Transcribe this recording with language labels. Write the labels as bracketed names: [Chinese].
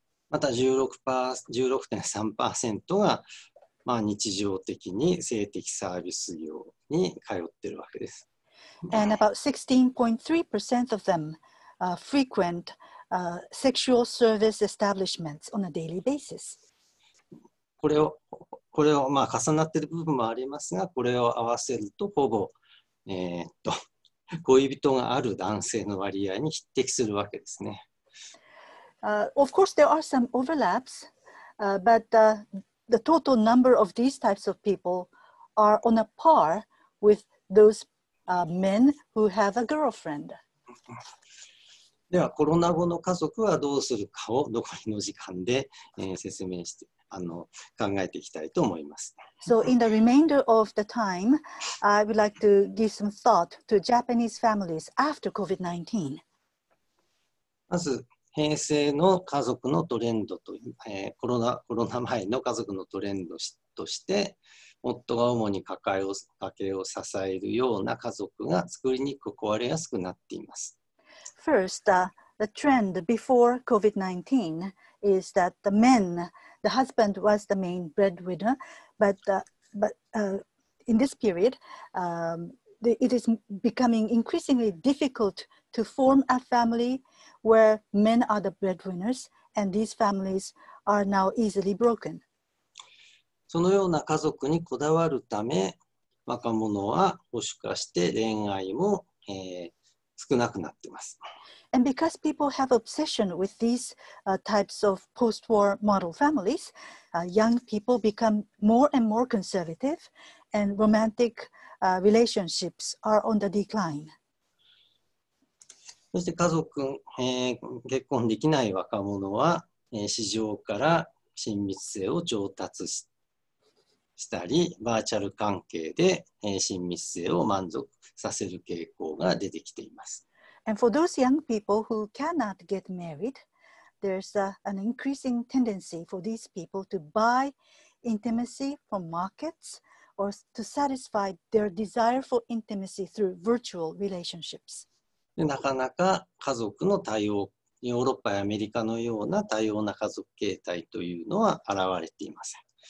[Japanese] また16.3% がまあ、日常的に性的サービス業に通ってるわけです。 [English] And about 16.3% of them frequent sexual service establishments on a daily basis. [Japanese] これをまあ重なってる部分もありますが、これを合わせるとほぼ、恋人がある男性の割合に匹敵するわけですね。 [English] Of course, there are some overlaps, The total number of these types of people are on a par with those、men who have a girlfriend. [Japanese] では、コロナ後の家族はどうするかを残りの時間で、説明して考えていきたいと思います。 [English] So in the remainder of the time, I would like to give some thought to Japanese families after COVID-19. [Japanese] まず、平成の家族のトレンドと、コロナ前の家族のトレンドとして、夫が主に家計を支えるような家族が作りにくく壊れやすくなっています。 [English] First, the trend before COVID-19 is that the men, the husband was the main breadwinner, but in this period, it is becoming increasingly difficult to form a family. Where men are the breadwinners, and these families are now easily broken. [Japanese] そのような家族にこだわるため、若者は保守化して恋愛も、少なくなっています。 [English] And because people have obsession with these、types of post-war model families,、young people become more and more conservative, and romantic、relationships are on the decline. [Japanese] そして家族、結婚できない若者は、市場から親密性を調達したり、バーチャル関係で、親密性を満足させる傾向が出てきています。 [English] And for those young people who cannot get married, there's an increasing tendency for these people to buy intimacy from markets or to satisfy their desire for intimacy through virtual relationships. [Japanese] なかなか家族の多様、ヨーロッパやアメリカのような多様な家族形態というのは現れていません。